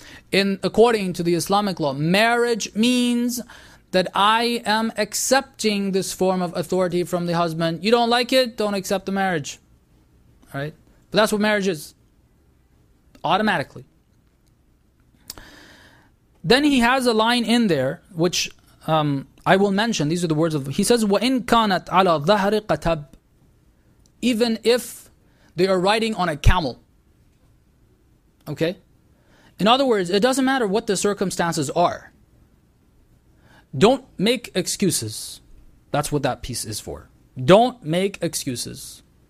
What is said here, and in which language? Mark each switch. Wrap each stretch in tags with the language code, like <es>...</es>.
<en>In according to the Islamic law, marriage means that I am accepting this form of authority from the husband. You don't like it, don't accept the marriage. All right? But that's what marriage is. Automatically. Then he has a line in there, which I will mention. These are the words of... He says,</en> <ar>وَإِن كَانَتْ عَلَى ظَهْرِ قَتَبْ.</ar> <en>Even if they are riding on a camel. Okay? In other words, it doesn't matter what the circumstances are. Don't make excuses. That's what that piece is for. Don't make excuses.</en>